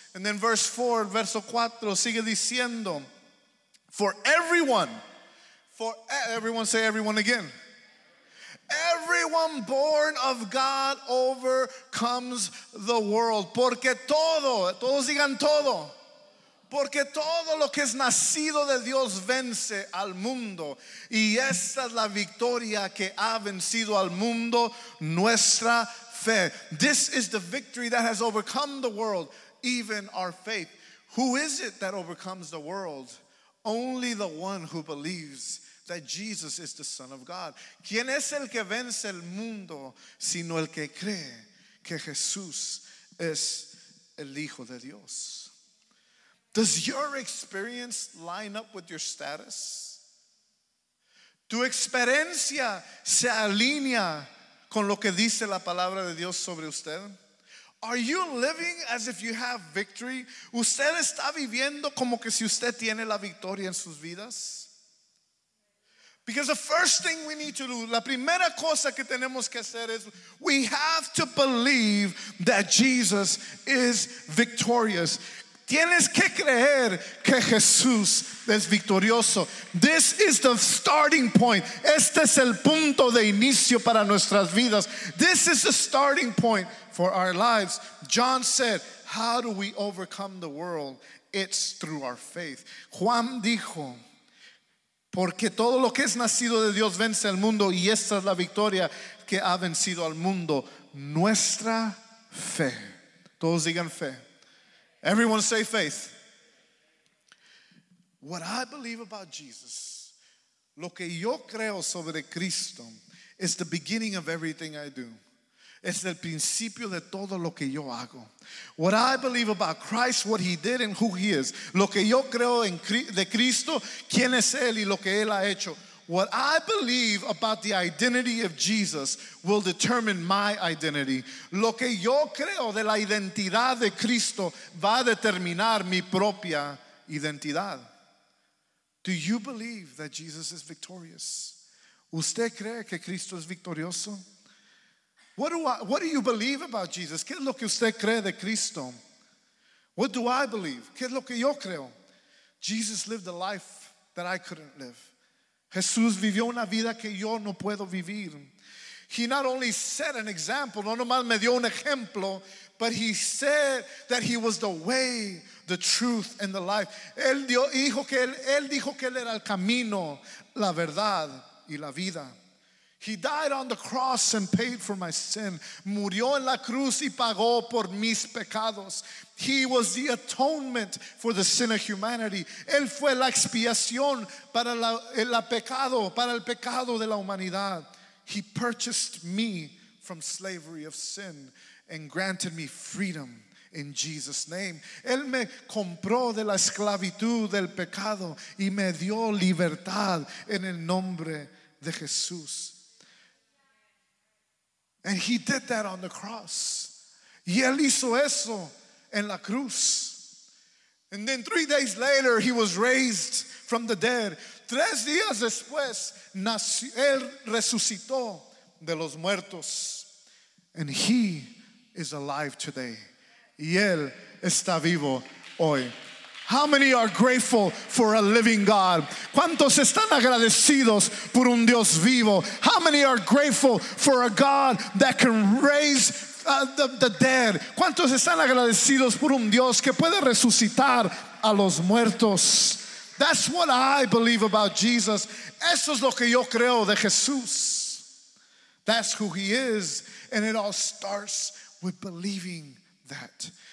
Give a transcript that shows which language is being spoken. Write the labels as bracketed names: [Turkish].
[English] And then verso 4, [Spanish] sigue diciendo, [English] everyone born of God overcomes the world. [Spanish] Porque todo, todos digan todo, Porque todo lo que es nacido de Dios vence al mundo. Y esta es la victoria que ha vencido al mundo, nuestra fe. [English] This is the victory that has overcome the world, even our faith. Who is it that overcomes the world? Only the one who believes that Jesus is the Son of God. [Spanish] ¿Quién es el que vence el mundo, sino el que cree que Jesús es el Hijo de Dios? [English] Does your experience line up with your status? [Spanish] ¿Tu experiencia se alinea con lo que dice la palabra de Dios sobre usted? [English] Are you living as if you have victory? [Spanish] ¿Usted está viviendo como que si usted tiene la victoria en sus vidas? [English] Because the first thing we need to do, [Spanish] la primera cosa que tenemos que hacer es, [English] we have to believe that Jesus is victorious. [Spanish] Tienes que creer que Jesús es victorioso. [English] This is the starting point. [Spanish] Este es el punto de inicio para nuestras vidas. [English] This is the starting point for our lives. John said, how do we overcome the world? It's through our faith. [Spanish] Juan dijo, porque todo lo que es nacido de Dios vence al mundo, y esta es la victoria que ha vencido al mundo, nuestra fe. Todos digan fe. [English] Everyone say faith. What I believe about Jesus, [Spanish] lo que yo creo sobre Cristo, [English] is the beginning of everything I do. [Spanish] Es el principio de todo lo que yo hago. [English] What I believe about Christ, what he did and who he is. [Spanish] Lo que yo creo en de Cristo, quién es él y lo que él ha hecho. [English] What I believe about the identity of Jesus will determine my identity. [Spanish] Lo que yo creo de la identidad de Cristo va a determinar mi propia identidad. [English] Do you believe that Jesus is victorious? [Spanish] ¿Usted cree que Cristo es victorioso? [English] What do you believe about Jesus? [Spanish] ¿Qué es lo que usted cree de Cristo? [English] What do I believe? [Spanish] ¿Qué es lo que yo creo? [English] Jesus lived a life that I couldn't live. [Spanish] Jesús vivió una vida que yo no puedo vivir. [English] He not only set an example, [Spanish] no nomás me dio un ejemplo, [English] but he said that he was the way, the truth, and the life. [Spanish] Él dijo que él era el camino, la verdad y la vida. [English] He died on the cross and paid for my sin. [Spanish] Murió en la cruz y pagó por mis pecados. [English] He was the atonement for the sin of humanity. [Spanish] Él fue la expiación para el pecado de la humanidad. [English] He purchased me from slavery of sin and granted me freedom in Jesus' name. [Spanish] Él me compró de la esclavitud del pecado y me dio libertad en el nombre de Jesús. [English] And he did that on the cross. [Spanish] Y él hizo eso en la cruz. [English] And then 3 days later, he was raised from the dead. [Spanish] 3 días después, él resucitó de los muertos. [English] And he is alive today. [Spanish] Y él está vivo hoy. [English] How many are grateful for a living God? [Spanish] ¿Cuántos están agradecidos por un Dios vivo? [English] How many are grateful for a God that can raise the dead? [Spanish] ¿Cuántos están agradecidos por un Dios que puede resucitar a los muertos? [English] That's what I believe about Jesus. [Spanish] Eso es lo que yo creo de Jesús. [English] That's who he is. And it all starts with believing that.